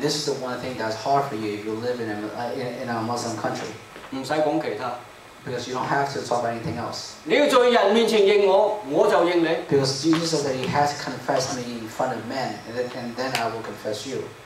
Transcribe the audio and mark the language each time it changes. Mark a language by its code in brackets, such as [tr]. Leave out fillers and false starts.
[en] this is the one thing that's hard for you if you live in a Muslim country. [yue] 唔使講其他。 [en] Because you don't have to talk about anything else. [yue] 你要在人面前認我，我就認你。 [en] Because Jesus said that he has to confess me in front of men, and then I will confess you.